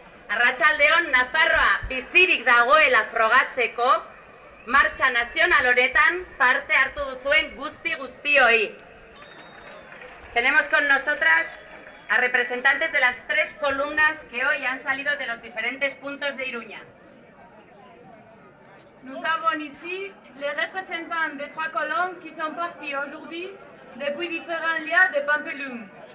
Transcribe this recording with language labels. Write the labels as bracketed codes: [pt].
[eu] Arratsaldeon Nafarroa bizirik dagoela frogatzeko martxa nazional honetan parte hartu duzuen guztioi. [es] Tenemos con nosotras a representantes de las tres columnas que hoy han salido de los diferentes puntos de Iruña. [fr] Nous avons ici les représentants des trois colonnes qui sont partis aujourd'hui depuis différents lieux de Pampelune.